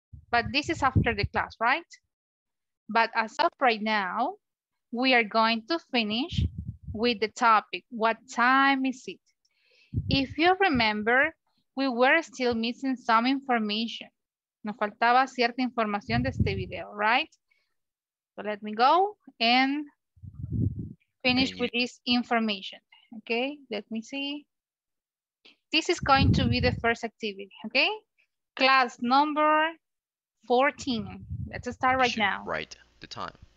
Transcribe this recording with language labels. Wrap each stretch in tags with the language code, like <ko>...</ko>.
<en>But this is after the class, right? But as of right now, we are going to finish with the topic, what time is it? If you remember, we were still missing some information.</en> <es>Nos faltaba cierta información de este video, right?</es> <en>So let me go and finish with this information, okay? Let me see. This is going to be the first activity, okay? Class number 14. Let's start right now. Right. The time.</en>